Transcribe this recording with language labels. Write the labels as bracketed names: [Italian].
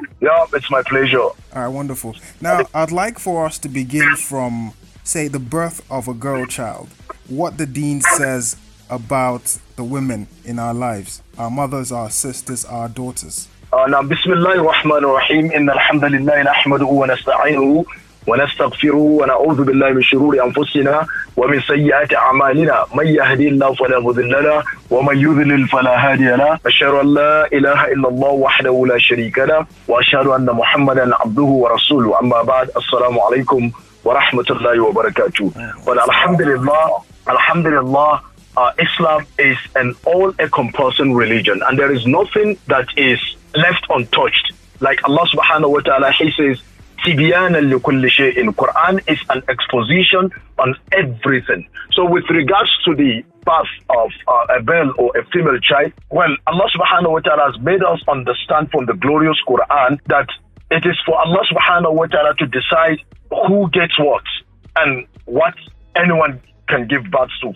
[English] Yeah, it's my pleasure. All right, wonderful. Now, I'd like for us to begin from, say, the birth of a girl child. What the deen says about the women in our lives, our mothers, our sisters, our daughters. [Arabic] Now, Bismillah ar-Rahman ar-Rahim, inna alhamdulillahi na'hamaduhu wa nasta'inuhu. ونستغفره ونعوذ بالله من شرور أنفسنا ومن سيئات أعمالنا من يهدي الله فلا مضل له ومن يضلل فلا هادي له أشهد أن لا إله إلا الله وحده لا شريك له وأشهد أن محمدا عبده ورسوله أما بعد السلام عليكم ورحمة الله وبركاته والحمد لله الحمد لله [English] Islam is an all-encompassing religion and there is nothing that is left untouched like Allah subhanahu wa ta'ala he says [Arabic] Tibyana likulli shay'in. [English] Quran is an exposition on everything. So with regards to the birth of a male or a female child, well, Allah subhanahu wa ta'ala has made us understand from the glorious Quran that it is for Allah subhanahu wa ta'ala to decide who gets what and what anyone can give birth to.